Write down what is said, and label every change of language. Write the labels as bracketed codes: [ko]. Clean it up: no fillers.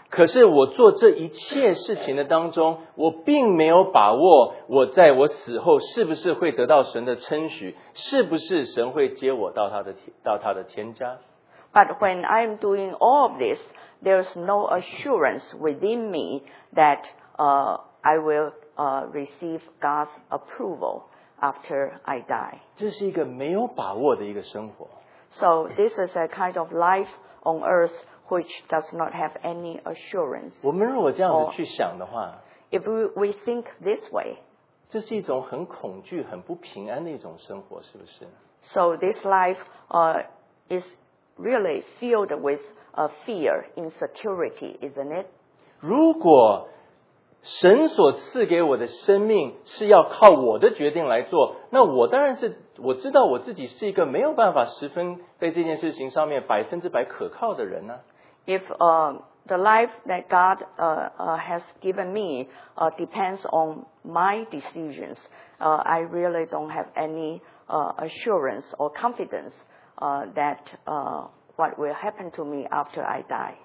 [zh] 可是我做这一切事情的当中，我并没有把握我在我死后是不是会得到神的称许，是不是神会接我到他的天家。 [en] But when I am doing all of this, there's no assurance within me that I will receive God's approval after I die. [zh] 这是一个没有把握的一个生活。 [en] So this is a kind of life on earth which does not have any assurance. [zh] 我们如果这样子去想的话， [en] if we think this way, [zh] 这是一种很恐惧、很不平安的一种生活，是不是？ [en] So this life is really filled with fear, insecurity, isn't it? [zh] 如果神所赐给我的生命是要靠我的决定来做，那我当然是，我知道我自己是一个没有办法十分在这件事情上面百分之百可靠的人呢。 [en] If the life that God has given me depends on my decisions, I really don't have any assurance or confidence that what will happen to me after I die.